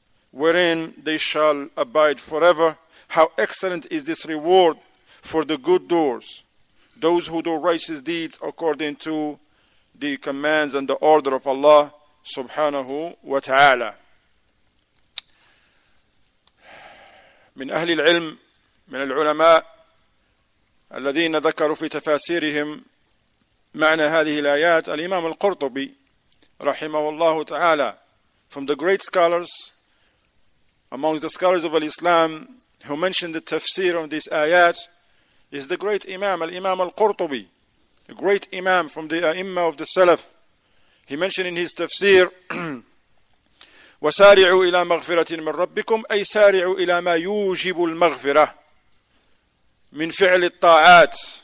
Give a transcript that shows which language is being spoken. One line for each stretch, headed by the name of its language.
English: wherein they shall abide forever. How excellent is this reward for the good doers, those who do righteous deeds according to the commands and the order of Allah subhanahu wa ta'ala.
Arabic: من أهل العلم من العلماء الذين ذكروا في تفاسيرهم معنى هذه الآيات الإمام القرطبي رحمه الله تعالى.
English: From the great scholars, amongst the scholars of Islam who mentioned the tafsir of these ayat, is the great Imam, al-Imam al-Qurtubi, a great Imam from the A'imma of the Salaf. He mentioned in his tafsir,
Arabic: وَسَارِعُوا إِلَى مَغْفِرَةٍ مِنْ رَبِّكُمْ أَيْ سَارِعُوا إِلَى مَا يُوجِبُ الْمَغْفِرَةِ مِنْ فِعْلِ الطَّاعَاتِ.